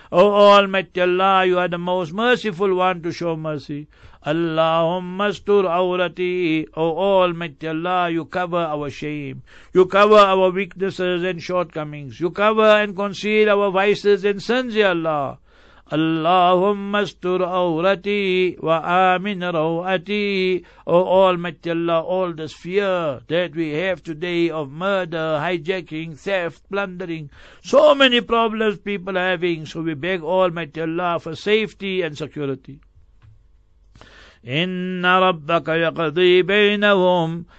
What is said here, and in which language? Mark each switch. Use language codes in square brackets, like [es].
[en] O Almighty Allah, you are the most merciful one to show mercy. [ar] اللهم استر عورتي. [en] O Almighty Allah, you cover our shame, you cover our weaknesses and shortcomings, you cover and conceal our vices and sins, Ya Allah. [ar] اللهم استر عورتي وآمن روعتي. [en] O Almighty Allah, all this fear that we have today of murder, hijacking, theft, plundering, so many problems people are having, so we beg Almighty Allah for safety and security. [ar] Inna rabbaka yaqdi bainahum.